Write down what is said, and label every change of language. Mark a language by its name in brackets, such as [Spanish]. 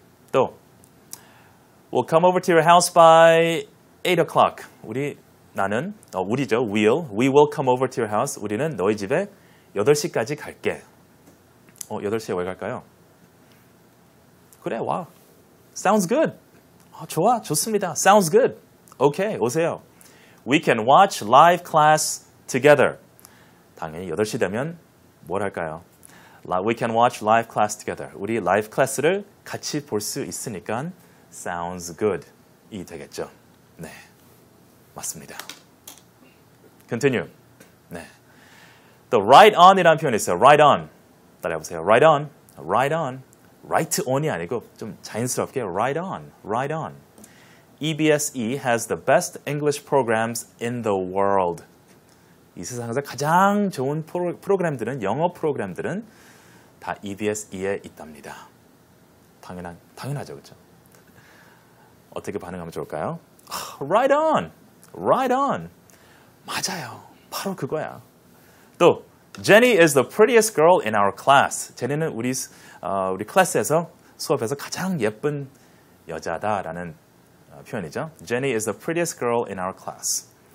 [English] 또, We'll come over to your house by 8 o'clock. We will come over to your house. [Korean] 우리는 너희 집에 8시까지 갈게. 8시에 왜 갈까요? 그래, 와. [English] Sounds good. [Korean] 좋아, 좋습니다. [English] Sounds good. Okay, [Korean] 오세요. [English] We can watch live class together. [Korean] 당연히 8시 되면 뭘 할까요? [English] We can watch live class together. [Korean] 우리 live class를 같이 볼 수 있으니까 [English] sounds good. [Korean] 이 되겠죠. 네, 맞습니다. Continue. 네. The right on이라는 표현이 있어요. Right on. 따라해보세요. Right on. Right on. Right on이 아니고 좀 자연스럽게 right on, right on. [English] EBSE has the best English programs in the world. [Korean] 이 세상에서 가장 좋은 프로그램들은, 영어 프로그램들은 다 EBSE에 있답니다. 당연하죠, 그렇죠? 어떻게 반응하면 좋을까요? [English] Right on, right on. [Korean] 맞아요, 바로 그거야. [English] 또, Jenny is the prettiest girl in our class. [Korean] 제니는 우리 클래스에서 수업에서 가장 예쁜 여자다라는 표현이죠. [English] Jenny is the prettiest girl in our class.